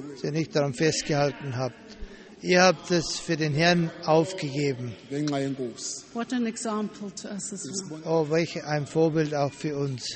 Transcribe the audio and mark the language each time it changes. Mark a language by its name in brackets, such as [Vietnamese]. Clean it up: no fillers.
[German] nicht daran festgehalten habt. Ihr habt es für den Herrn aufgegeben. [English] What an example to us as well. [German] Oh, welch ein Vorbild auch für uns.